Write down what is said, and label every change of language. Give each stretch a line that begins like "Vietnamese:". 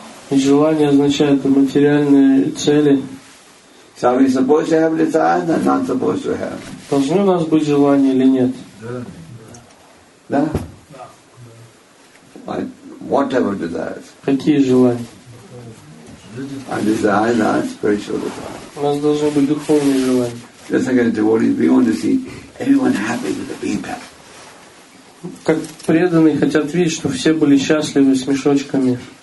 Russian: И желание означает материальные цели.
English: So are we supposed to have desire or not supposed to have?
Russian: Должны у нас быть желания или нет? Да. Да? Да.
English: What type of desires?
Russian: Какие желания?
English: Our desires are spiritual desires.
Russian: У нас должны быть духовные желания.
English: Just like a devotee, we want to see everyone happy with the people.
Russian: Как преданные хотят видеть, чтобы все были счастливы с мешочками.